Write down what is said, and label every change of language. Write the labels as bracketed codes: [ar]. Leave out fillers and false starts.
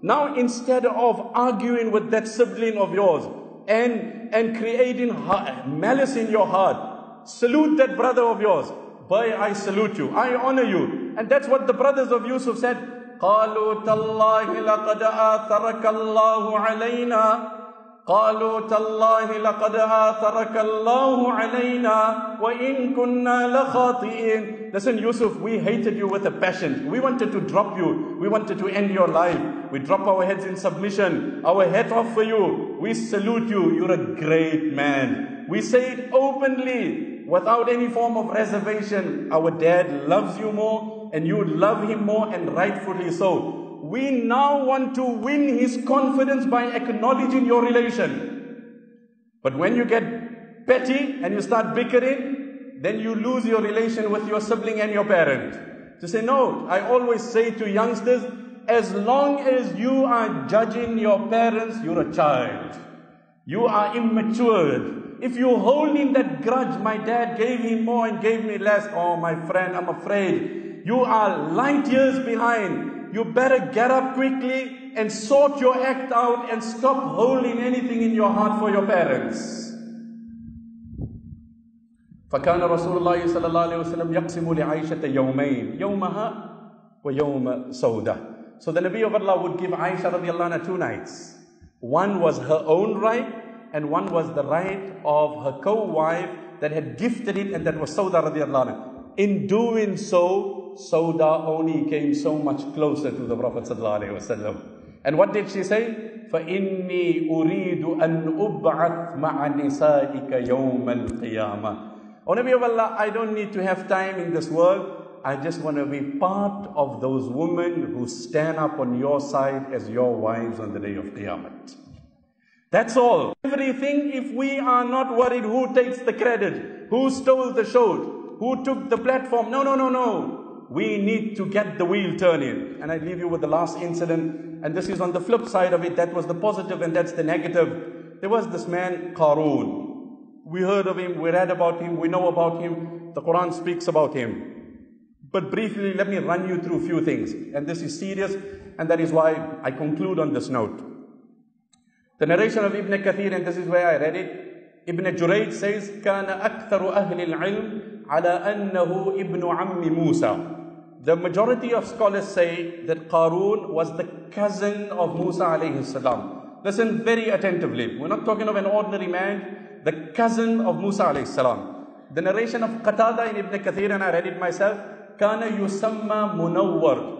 [en] Now, instead of arguing with that sibling of yours and creating malice in your heart, salute that brother of yours. Boy, I salute you. I honor you. And that's what the brothers of Yusuf said. [ar] قَالُوا تَاللَّهِ لَقَدْ آثَرَكَ اللَّهُ عَلَيْنَا قالوا تالله لقد آثرك الله علينا وإن كنا لخاطئين. [en] Listen, Yusuf, we hated you with a passion. We wanted to drop you. We wanted to end your life. We drop our heads in submission. Our hat off for you. We salute you. You're a great man. We say it openly, without any form of reservation. Our dad loves you more, and you love him more, and rightfully so. We now want to win his confidence by acknowledging your relation. But when you get petty and you start bickering, then you lose your relation with your sibling and your parent. To say, no, I always say to youngsters, as long as you are judging your parents, you're a child. You are immature. If you're holding that grudge, my dad gave him more and gave me less, oh my friend, I'm afraid, you are light years behind. You better get up quickly and sort your act out and stop holding anything in your heart for your parents. [ar] فكان رسول الله صلى الله عليه وسلم يقسم لعائشة يومين يومها ويوم سودة. [en] So the Nabi of Allah would give Aisha radiallahu anha two nights. One was her own right and one was the right of her co-wife that had gifted it, and that was Sauda radiallahu anha. In doing so, Sauda only came so much closer to the Prophet sallallahu alaihi wasallam. And what did she say? [ar] فإني أريد أن أبعث مع نسائك يوم القيامة. [en] Oh Nabi of Allah, I don't need to have time in this world. I just want to be part of those women who stand up on your side as your wives on the day of Qiyamah. That's all. Everything, if we are not worried who takes the credit, who stole the show, who took the platform. No. We need to get the wheel turning. And I leave you with the last incident. And this is on the flip side of it. That was the positive and that's the negative. There was this man, Qarun. We heard of him, we read about him, we know about him. The Quran speaks about him. But briefly, let me run you through a few things. And this is serious, and that is why I conclude on this note. The narration of Ibn Kathir, and this is where I read it. Ibn Jurayj says, [ar] كَانَ أَكْثَرُ أَهْلِ الْعِلْمِ عَلَىٰ أَنَّهُ إِبْنُ عَمِّ مُوسَىٰ. [en] The majority of scholars say that Qarun was the cousin of Musa alayhi salam. Listen very attentively. We're not talking of an ordinary man. The cousin of Musa alayhi salam. The narration of Qatada in Ibn Kathir, and I read it myself, [ar] كَانَ يُسَمَّ مُنَوَّرْ.